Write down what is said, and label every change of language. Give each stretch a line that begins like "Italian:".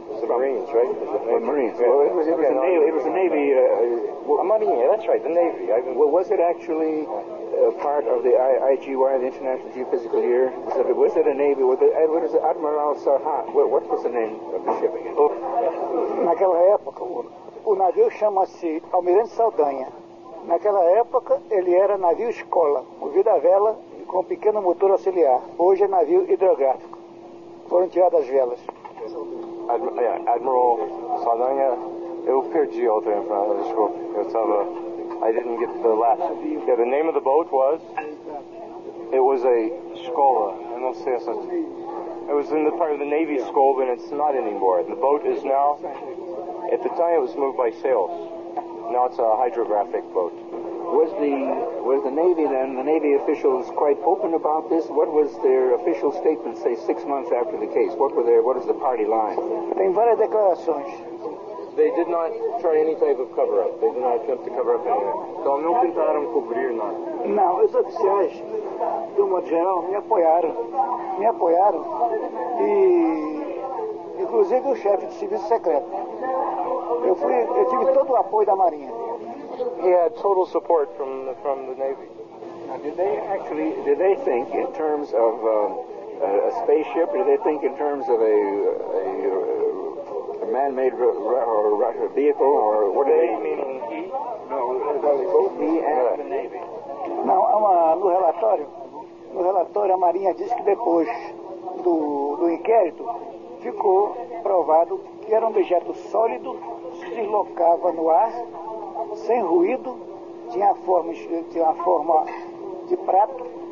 English: Marines, right? The Marines. Yeah. Well, it was a Navy. Marine, that's right, the Navy. Was it actually part of the IGY, the International Geophysical Year? Was it a Navy? What is it? Admiral Sarhat. What was the name of the ship again?
Portuguese: Naquela época, o navio chama-se Almirante Saldanha. Naquela época, ele era navio escola, movido à vela com um pequeno motor auxiliar. Hoje é navio hidrográfico. foram tiradas as velas. Admiral Saldanha, eu perdi outra informação, desculpe. Eu estava...
English: I didn't get the last... Yeah, the name of the boat was... It was a Skola.
Portuguese: Eu não sei se...
English: It was in the part of the Navy school, but it's not anymore. The boat is now... At the time, it was moved by sails. Now it's a hydrographic boat. Was the Navy then, the Navy officials quite open about this? What was their official statement, say, 6 months after the case? What is the party line?
Portuguese: Tem várias declarações.
English: They did not try any type of cover-up. They did not attempt to cover up anything.
Portuguese: Então, não tentaram cobrir nada. Não, os oficiais, de um modo geral, me apoiaram. Me apoiaram. E, inclusive, o chefe de serviço secreto. Eu tive todo o apoio da Marinha.
English: He had total support from the Navy. Now, did they think in terms of a spaceship? Or did they think in terms of a man-made or vehicle? Or what? They meaning he? No, both he and the Navy.
Portuguese: Não, no relatório a Marinha disse que depois do inquérito ficou provado que era um objeto sólido, se deslocava no ar sem ruído, tinha a forma de prato.